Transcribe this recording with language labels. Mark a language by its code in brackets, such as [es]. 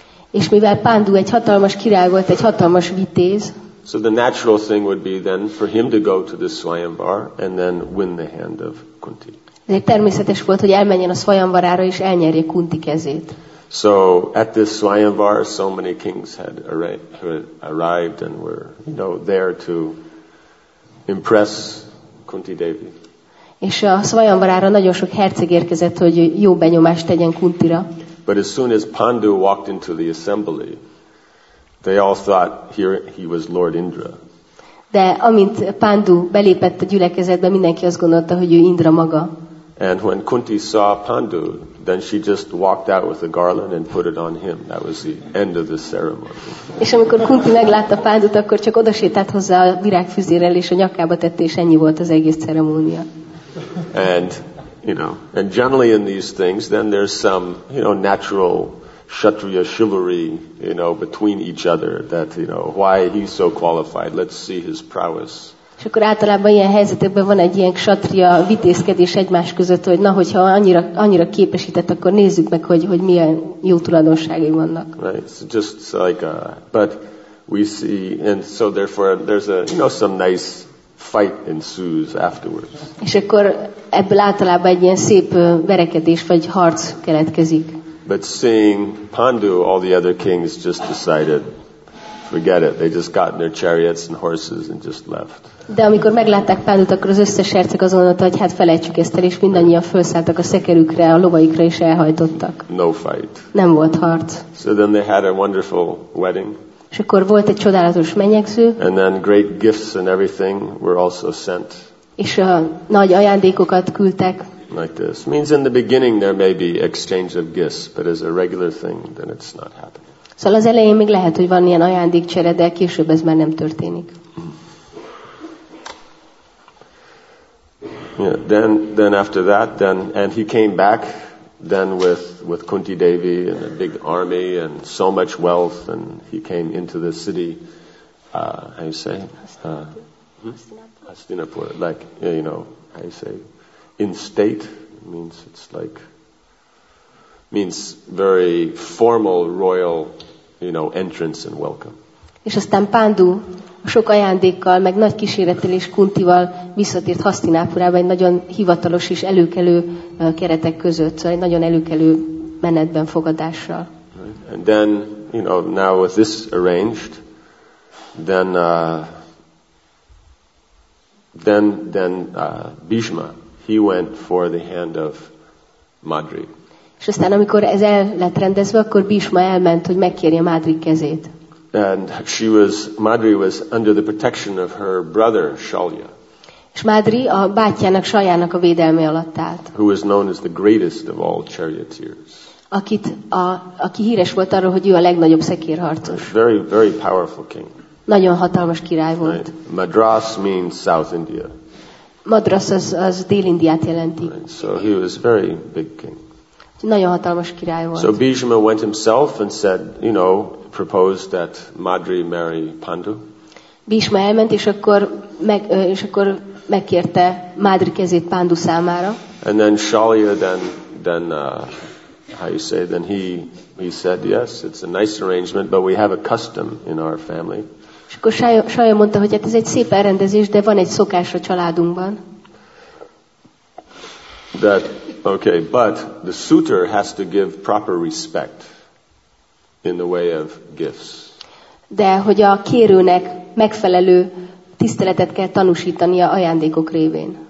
[hu] És mivel Pandu egy hatalmas király volt, egy hatalmas vitéz. [en] So the natural thing would be then for him to go to the svajanvar and then win the hand of Kunti. [hu] De természetes volt, hogy elmenjen a svajanvarára és elnyerje Kunti kezét. [en] So at this Swayamvar, so many kings had arrived and were, you know, there to impress Kunti Devi. [hu] És a Swayamvarára nagyon sok herceg érkezett, hogy jó benyomást tegyen Kuntira. [en] But as soon as Pandu walked into the assembly, they all thought he was Lord Indra. [hu] De amint Pandu belépett a gyülekezetbe, mindenki azt gondolta, hogy ő Indra maga. [en] And when Kunti saw Pandu, then she just walked out with a garland and put it on him. That was the end of the ceremony. [hu] És amikor Kunti meglátta Pándut, akkor csak odasétált hozzá a virágfüzérrel és a nyakába tette, és ennyi volt az egész ceremónia. [en] And, you know, and generally in these things, then there's some, you know, natural Kshatriya chivalry, you know, between each other that, you know, why he's so qualified. Let's see his prowess. [hu] És akkor általában ilyen helyzetekben van egy ilyen ksatria vitézkedés egymás között, hogy na, hogyha annyira képesített, akkor nézzük meg, hogy milyen jó tulajdonságai vannak. [en] Right, so just like a, but we see, and so therefore there's a, you know, some nice fight ensues afterwards. [hu] És akkor ebből általában egy ilyen szép verekedés vagy harc keletkezik. [en] But seeing Pandu, all the other kings just decided, forget it. They just got in their chariots and horses and just left. [hu] De amikor meglátták Pándut, akkor az összes herceg azon mondta, hogy hát felejtsük ezt el, és mindannyian felszálltak a szekerükre, a lovaikra, és elhajtottak. [en] No fight. [hu] Nem volt harc. [en] So then they had a wonderful wedding. [hu] És akkor volt egy csodálatos menyegző. [en] And then great gifts and everything were also sent. [hu] És a nagy ajándékokat küldtek. [en] Like this. Means in the beginning there may be exchange of gifts, but as a regular thing, then it's not happening. [hu] Szóval az elején még lehet, hogy van ilyen ajándékcsere, de később ez már nem történik. [en] Yeah, then after that, then and he came back then with Kunti Devi and a big army and so much wealth, and he came into the city. How you say? Hastinapur. Like, you know, how you say? In state means it's like means very formal royal, you know, entrance and welcome. [hu] És aztán Pandu sok ajándékkal, meg nagy kísérettel és Kuntival visszatért Hasztinápurába egy nagyon hivatalos és előkelő keretek között, szóval egy nagyon előkelő menetben fogadással. [en] Right. And then, you know, now with this arranged, then Bhishma, he went for the hand of Madri. [hu] És aztán, amikor ez el lett rendezve, akkor Bhishma elment, hogy megkérje Madri kezét. [en] And she was, Madri was under the protection of her brother Shalya. [hu] És Madri a bátyjának, Shalyának a védelme alatt állt. [en] Who is known as the greatest of all charioteers. [hu] Akit a, aki híres volt arról, hogy ő a legnagyobb szekérharcos. [en] Very, very powerful king. [hu] Nagyon hatalmas király volt. [en] Madras means South India. [hu] Madras az, az Dél-Indiát jelenti. [en] So he was very big king. [hu] Nagyon hatalmas király volt. [en] So Bhishma went himself and said, you know, proposed that Madri marry Pandu. [hu] Bhishma elment, és akkor meg, és akkor megkérte Madri kezét Pandu számára. [en] And then Shalya then he said yes, it's a nice arrangement, but we have a custom in our family. [hu] És akkor Shalya mondta, hogy hát ez egy szép elrendezés, de van egy szokás a családunkban. [en] That okay, but the suitor has to give proper respect in the way of gifts. [hu] De hogy a kérőnek megfelelő tiszteletet kell tanúsítania ajándékok révén.